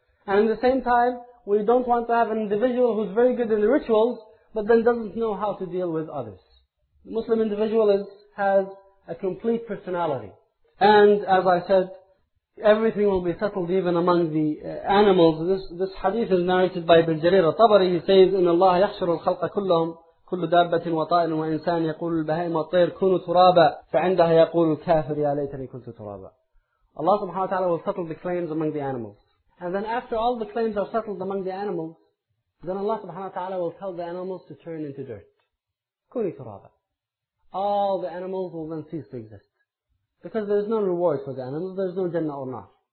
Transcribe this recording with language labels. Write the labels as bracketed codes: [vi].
[en] And at the same time, we don't want to have an individual who's very good in the rituals, but then doesn't know how to deal with others. The Muslim individual has a complete personality. And as I said, everything will be settled even among the animals. This hadith is narrated by Ibn Jarir al-Tabari. He says, [ar] إِنَّ اللَّهَ يَحْشُرُ الْخَلْقَ كُلَّهُمْ كل دابة وطائر وإنسان يقول البهائم والطير كونوا ترابا فعندها يقول الكافر يا ليتني كنت ترابا. [en] Allah subhanahu wa ta'ala will settle the claims among the animals. And then after all the claims are settled among the animals, then Allah subhanahu wa ta'ala will tell the animals to turn into dirt. [ar] كوني ترابا. [en] All the animals will then cease to exist. Because there is no reward for the animals, there is no jannah or nar.